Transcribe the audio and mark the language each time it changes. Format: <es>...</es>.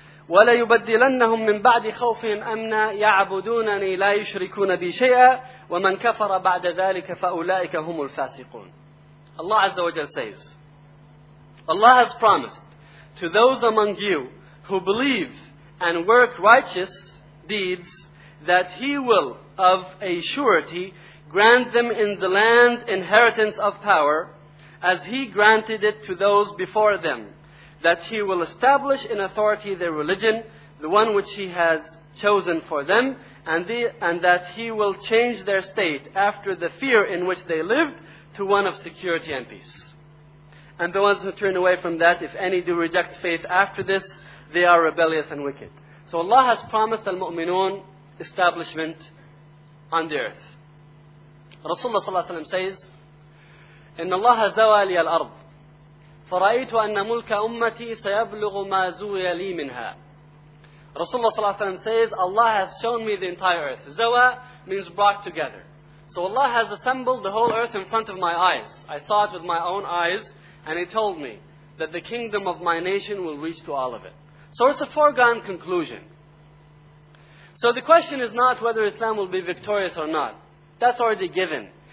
<ar>وليبدلنهم من بعد خوفهم أمنا يعبدونني لا يشركون بي شيئا ومن كفر بعد ذلك فأولئك هم الفاسقون.</ar> <en>Allah Azza wa Jalla says, Allah has promised to those among you who believe and work righteous deeds that He will of a surety grant them in the land inheritance of power as He granted it to those before them, that He will establish in authority their religion, the one which He has chosen for them, and that He will change their state after the fear in which they lived to one of security and peace. And the ones who turn away from that, if any do reject faith after this, they are rebellious and wicked. So Allah has promised al-mu'minun establishment on the earth. Rasulullah sallallahu alayhi wa sallam says,</en> <ar>إِنَّ اللَّهَ زَوَى لِيَ الْأَرْضِ فَرَأَيْتُ أَنَّ مُلْكَ أُمَّتِي سَيَبْلُغُ مَا زُوِيَ لِي مِنْهَا.</ar> <en>Rasulullah sallallahu alayhi wa sallam says, Allah has shown me the entire earth. Zawa means brought together. So Allah has assembled the whole earth in front of my eyes. I saw it with my own eyes, and He told me that the kingdom of my nation will reach to all of it. So it's a foregone conclusion. So the question is not whether Islam will be victorious or not. That's already given.</en>